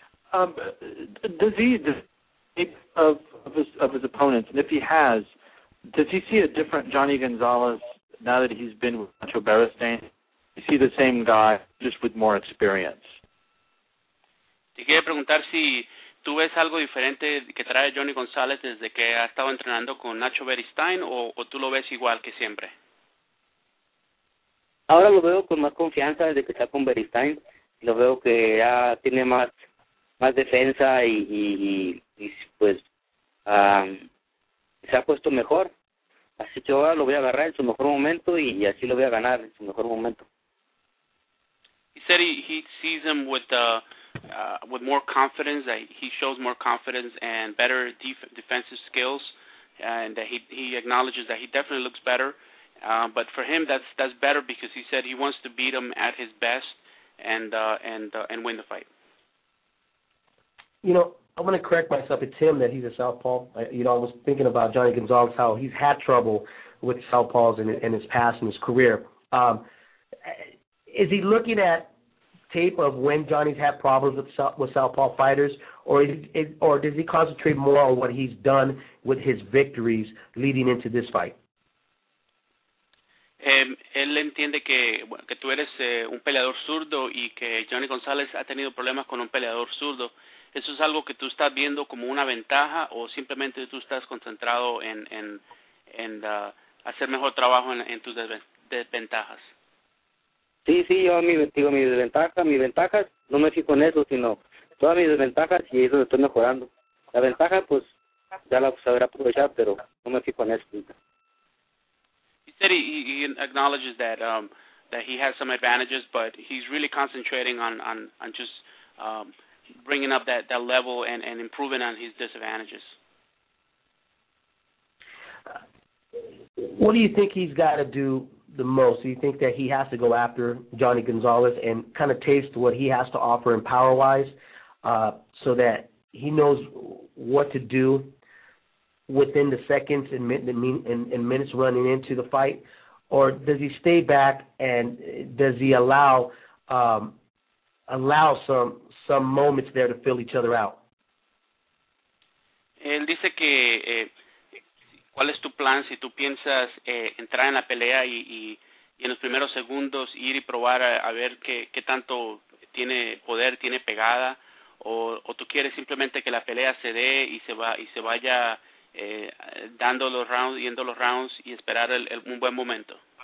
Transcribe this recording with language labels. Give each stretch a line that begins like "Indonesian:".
English: Does he, of his opponents, and if he has, does he see a different Johnny Gonzalez now that he's been with Nacho Beristain? Is he the same guy, just with more experience?
Spanish: Te quiero preguntar si tú ves algo diferente que trae Johnny Gonzalez desde que ha estado entrenando con Nacho Beristain, o tú lo ves igual que siempre. Ahora lo veo con más confianza desde que está con Beristain. Lo veo que ya tiene más defensa y se ha puesto mejor. Así que ahora lo voy a agarrar en su mejor momento y así lo voy a ganar en su mejor momento.
English: He said he sees him with more confidence, that he shows more confidence and better defensive skills, and that he acknowledges that he definitely looks better. But for him, that's better, because he said he wants to beat him at his best and win the fight. You know, I want to correct myself. It's him that he's a southpaw. I was thinking about Johnny Gonzalez, how he's had trouble with southpaws in his past and his career. Is he looking at tape of when Johnny's had problems with southpaw fighters, or does he concentrate more on what he's done with his victories leading into this fight?
Spanish: Él entiende que tú eres un peleador zurdo y que Johnny González ha tenido problemas con un peleador zurdo. ¿Eso es algo que tú estás viendo como una ventaja o simplemente tú estás concentrado en hacer mejor trabajo en tus desventajas? Sí, sí, yo digo mi desventaja. Mi ventaja, no me fijo en eso, sino todas mis desventajas y eso lo estoy mejorando. La ventaja, pues, ya la sabré aprovechar, pero no me fijo en eso.
English: He acknowledges that that he has some advantages, but he's really concentrating on just bringing up that level and improving on his disadvantages. What do you think he's got to do the most? Do you think that he has to go after Johnny Gonzalez and kind of taste what he has to offer in power-wise so that he knows what to do within the seconds and minutes running into the fight? Or does he stay back and does he allow some moments there to fill each other out?
Spanish: Él dice que ¿cuál es tu plan si tú piensas entrar en la pelea y en los primeros segundos ir y probar a ver qué tanto tiene poder, tiene pegada, o tú quieres simplemente que la pelea se dé y se vaya dando los rounds, yendo los rounds y esperar un buen momento?